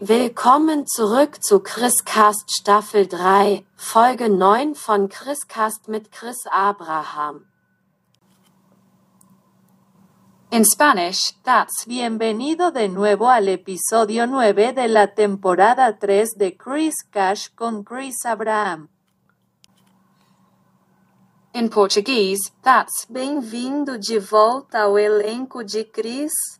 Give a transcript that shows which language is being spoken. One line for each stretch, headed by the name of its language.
German: willkommen zurück zu Chris Cast Staffel 3, Folge 9 von Chris Cast mit Chris Abraham.
English: In Spanish, that's
Spanish: bienvenido de nuevo al episodio 9 de la temporada 3 de Chris Cash con Chris Abraham.
English: In Portuguese, that's
Portuguese: bem-vindo de volta ao elenco de Chris.